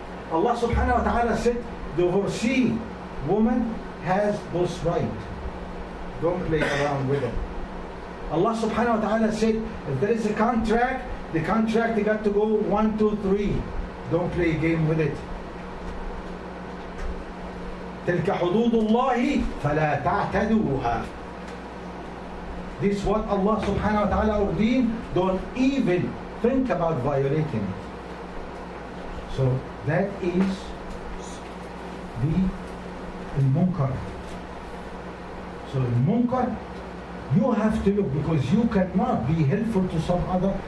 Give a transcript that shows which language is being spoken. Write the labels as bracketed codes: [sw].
[en] Allah subhanahu wa ta'ala said, divorcee woman has both rights. Don't play around with them. Allah subhanahu wa ta'ala said, if there is a contract, the contract got to go 1, 2, 3. Don't play a game with it. [ar] تلك حدود الله فلا تعتدوها. [en] This is what Allah subhanahu wa ta'ala ordained. Don't even think about violating it. So that is the munkar. So in munkar, you have to look, because you cannot be helpful to some other.